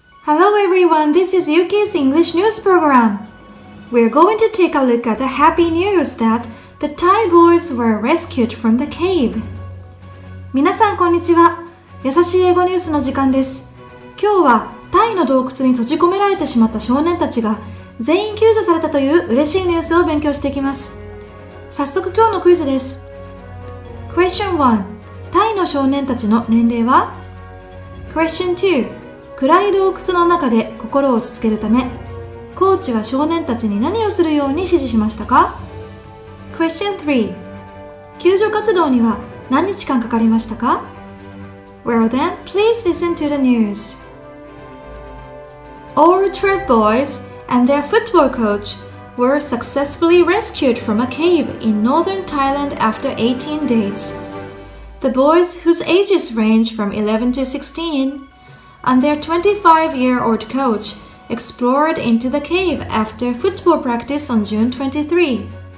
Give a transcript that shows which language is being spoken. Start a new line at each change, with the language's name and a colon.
English: Hello everyone, this is Yuki's English News Program. We're going to take a look at the happy news that the Thai boys were rescued from the cave.
Japanese: 皆さんこんにちは。やさしい英語ニュースの時間です。今日はタイの洞窟に閉じ込められてしまった少年たちが全員救助されたという嬉しいニュースを勉強していきます。早速今日のクイズです。
English: Question 1.
Japanese: タイの少年たちの年齢は？
English: Question 2.
Japanese: 暗い洞窟の中で心を落ち着けるため、コーチは少年たちに何をするように指示しましたか？
English: Question 3.
Japanese: 救助活動には何日間かかりましたか？
English: Well then, please listen to the news. All 12 boys and their football coach were successfully rescued from a cave in northern Thailand after 18 days. The boys, whose ages range from 11 to 16,And their 25-year-old coach explored into the cave after football practice on June 23.